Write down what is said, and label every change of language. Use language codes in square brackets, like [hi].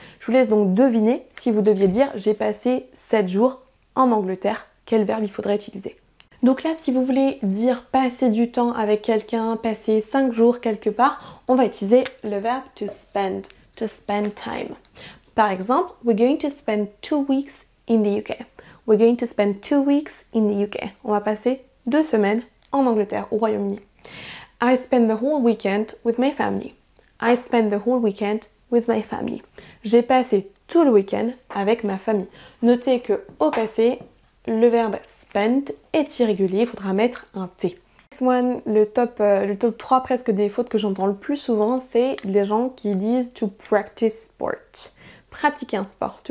[fr] Je vous laisse donc deviner si vous deviez dire j'ai passé 7 jours en Angleterre, quel verbe il faudrait utiliser. Donc là, si vous voulez dire passer du temps avec quelqu'un, passer 5 jours quelque part, on va utiliser le verbe [en] to spend time. [fr] Par exemple, [en] we're going to spend 2 weeks in the UK. We're going to spend 2 weeks in the UK. [fr] On va passer 2 semaines en Angleterre, au Royaume-Uni. [en] I spend the whole weekend with my family. I spend the whole weekend with my family. [fr] J'ai passé tout le week-end avec ma famille. Notez que au passé, le verbe spend est irrégulier, il faudra mettre un T. [en] Next one, [fr] le top 3 presque des fautes que j'entends le plus souvent, c'est les gens qui disent [en] to practice sport. [fr] Pratiquer un sport.